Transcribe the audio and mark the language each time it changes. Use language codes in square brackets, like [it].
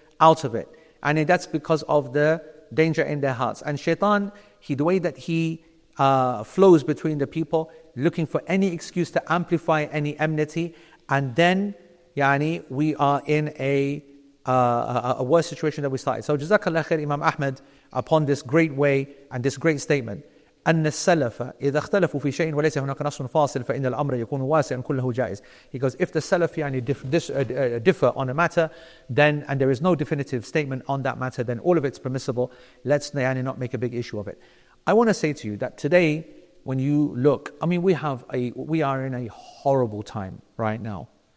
[en] out of it and that's because of the danger in their hearts and shaitan he, the way that he flows between the people looking for any excuse to amplify any enmity And then, yani, we are in a worse situation than we started. So, Jazakallah khair, Imam Ahmed, upon this great way and this great statement. [ar] أن السلف إذا اختلفوا في شيء وليس هناك نص فاصل فإن الأمر يكون واسع كله جائز. [en] He goes, if the Salaf yani differ on a matter, then and there is no definitive statement on that matter, then all of it's permissible. Let's yani not make a big issue of it. I want to say to you that today. When you look, I mean, we are in a horrible time right now.